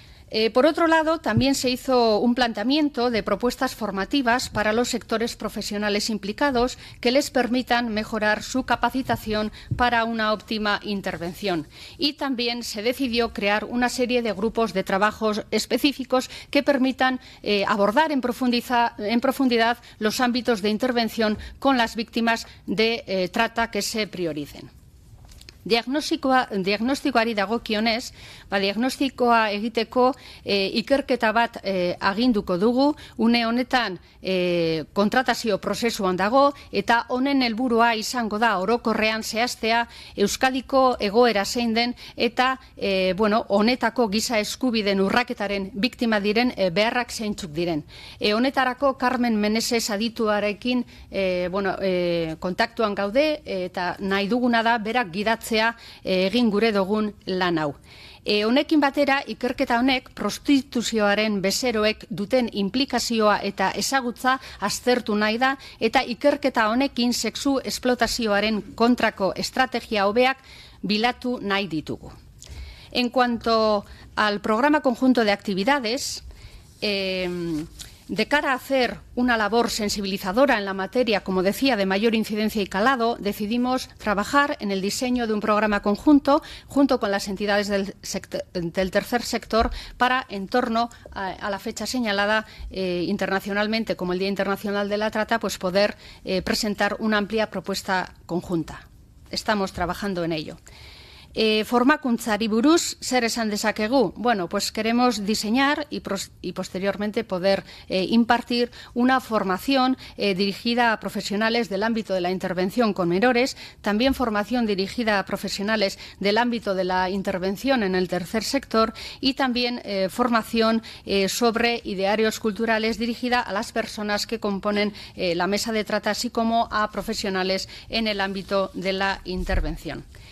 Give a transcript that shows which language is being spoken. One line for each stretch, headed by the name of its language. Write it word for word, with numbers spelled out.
Spanish: Eh, por otro lado, también se hizo un planteamiento de propuestas formativas para los sectores profesionales implicados que les permitan mejorar su capacitación para una óptima intervención. Y también se decidió crear una serie de grupos de trabajos específicos que permitan eh, abordar en, en profundidad los ámbitos de intervención con las víctimas de eh, trata que se prioricen.
Basque: Diagnostikoa, diagnostikoari dagokionez, ba, diagnostikoa egiteko e, ikerketa bat e, aginduko dugu, une honetan e, kontratazio prozesuan dago, eta honen helburua izango da orokorrean zehaztea Euskadiko egoera zein den, eta e, bueno, honetako giza eskubideen urraketaren biktima diren e, beharrak zeintzuk diren. E, honetarako Carmen Meneses adituarekin e, bueno, e, kontaktuan gaude, eta nahi duguna da berak gidatzea egin gure dugun lan hau. E, honekin batera, ikerketa honek prostituzioaren bezeroek duten implikazioa eta ezagutza aztertu nahi da, eta ikerketa honekin sexu esplotazioaren kontrako estrategia hobeak bilatu nahi ditugu.
Spanish: En cuanto al programa conjunto de actividades, eh, de cara a hacer una labor sensibilizadora en la materia, como decía, de mayor incidencia y calado, decidimos trabajar en el diseño de un programa conjunto junto con las entidades del, sector, del tercer sector para, en torno a, a la fecha señalada eh, internacionalmente como el Día Internacional de la Trata, pues poder eh, presentar una amplia propuesta conjunta. Estamos trabajando en ello.
Basque: Eh, formakuntzari buruz, zer esan dezakegu?
Spanish: Bueno, pues queremos diseñar y, pros- y posteriormente poder eh, impartir una formación eh, dirigida a profesionales del ámbito de la intervención con menores, también formación dirigida a profesionales del ámbito de la intervención en el tercer sector, y también eh, formación eh, sobre idearios culturales dirigida a las personas que componen eh, la Mesa de Trata, así como a profesionales en el ámbito de la intervención.